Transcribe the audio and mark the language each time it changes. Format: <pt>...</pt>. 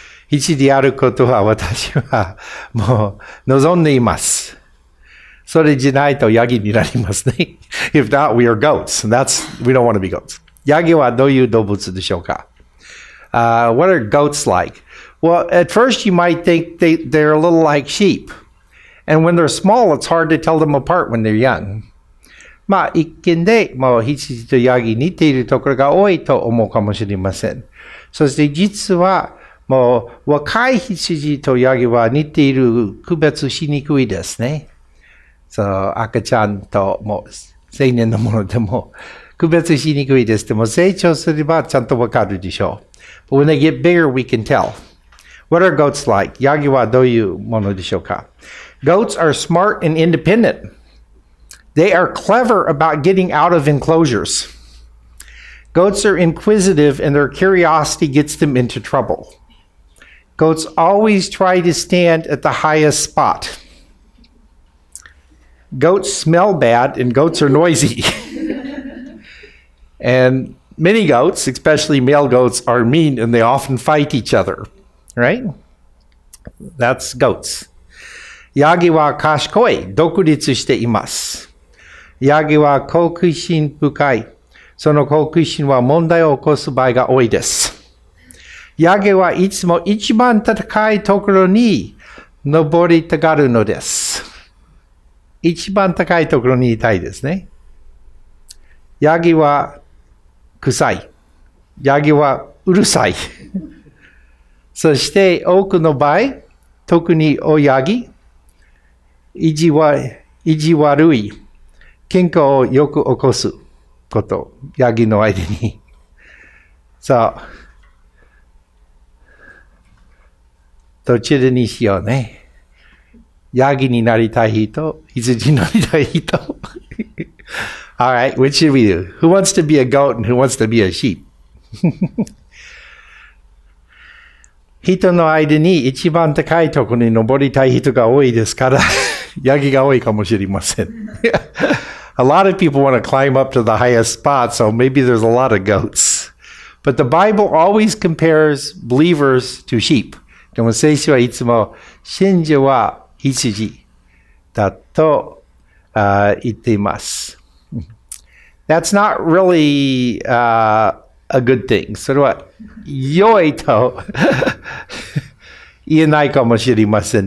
<ja>羊であることは私はもう望んでいます。それじゃないとヤギになりますね。</ja> <en>If not, we are goats. That's, we don't want to be goats.</en> <ja>ヤギはどういう動物でしょうか?</ja> <en>What are goats like? Well, at first you might think they're a little like sheep. And when they're small, it's hard to tell them apart when they're young.</en> <ja>まあ一見でもう羊とヤギ似ているところが多いと思うかもしれません。そして実はもう若い羊とヤギは似ている区別しにくいですね。そう、赤ちゃんともう青年のものでも区別しにくいです。でも成長すればちゃんとわかるでしょう。</ja> <en>But when they get bigger, we can tell. What are goats like?</en> <ja>ヤギはどういうものでしょうか?</ja> <en>Goats are smart and independent. They are clever about getting out of enclosures. Goats are inquisitive and their curiosity gets them into trouble. Goats always try to stand at the highest spot. Goats smell bad and goats are noisy. And many goats, especially male goats, are mean and they often fight each other. Right? That's goats.</en> <ja>ヤギは賢い、独立しています。ヤギは好奇心深い。その好奇心は問題を起こす場合が多いです。ヤギはいつも一番高いところに登りたがるのです。一番高いところにいたいですね。ヤギは臭い。ヤギはうるさい。そして多くの場合、特に大ヤギ、意地悪い、喧嘩をよく起こすこと、ヤギの間に。そう。どちらにしようね。ヤギになりたい人、羊になりたい人。</ja> <en>All right, which should we do? Who wants to be a goat and who wants to be a sheep?</en> <ja>人の間に一番高いところに登りたい人が多いですから、ヤギが多いかもしれません。</ja> <en>A lot of people want to climb up to the highest spot, so maybe there's a lot of goats. But the Bible always compares believers to sheep.</en> <ja>でも聖書はいつも信者は羊だと言っています。</ja> <en>That's not really a good thing.</en> <ja>それは良いと言えないかもしれません。</ja>